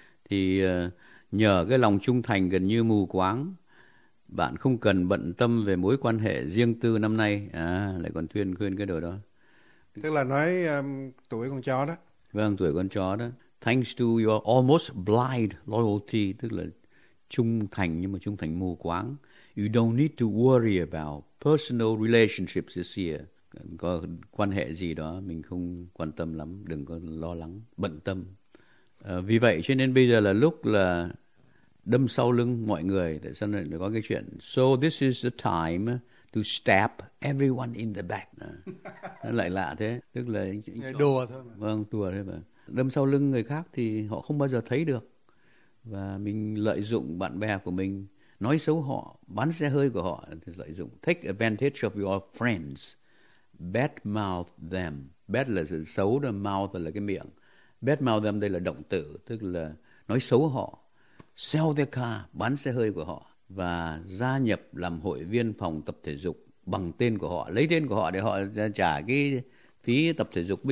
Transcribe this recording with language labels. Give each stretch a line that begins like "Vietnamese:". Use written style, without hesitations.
Vietnamese: Thì nhờ cái lòng trung thành gần như mù quáng, bạn không cần bận tâm về mối quan hệ riêng tư năm nay. À, lại còn thuyên khuyên cái điều đó. Tức là nói tuổi con chó đó. Vâng, tuổi con chó đó.
English: Thanks to your almost blind loyalty,
Vietnamese: tức là trung thành nhưng mà trung thành mù quáng.
English: You don't need to worry about personal relationships this year.
Vietnamese: Có quan hệ gì đó, mình không quan tâm lắm. Đừng có lo lắng, bận tâm. Vì vậy, cho nên bây giờ là lúc là đâm sau lưng mọi người. Tại sao lại có cái chuyện
English: so this is the time to stab everyone in the back.
Vietnamese: Nó lại lạ thế. Tức là đùa thôi mà. Vâng, đùa thôi mà. Đâm sau lưng người khác thì họ không bao giờ thấy được. Và mình lợi dụng bạn bè của mình, nói xấu họ, bán xe hơi của họ thì lợi dụng.
English: Take advantage of your friends, bad mouth them.
Vietnamese: Bad là xấu, the mouth là cái miệng.
English: Bad mouth them
Vietnamese: đây là động từ, tức là nói xấu họ.
English: Sell their car,
Vietnamese: bán xe hơi của họ, và gia nhập làm hội viên phòng tập thể dục bằng tên của họ, lấy tên của họ để họ trả cái phí tập thể dục.